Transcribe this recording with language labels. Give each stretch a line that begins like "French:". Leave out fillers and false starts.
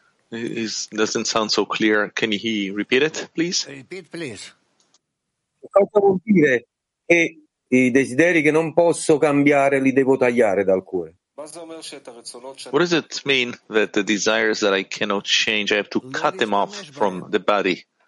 English: It doesn't sound so clear. Can he repeat it, please? Repeat, please.
Italian: Cosa vuol dire che i desideri che non posso cambiare li devo tagliare dal cuore?
English: What does it mean that the desires that I cannot change, I have to cut them off from the body?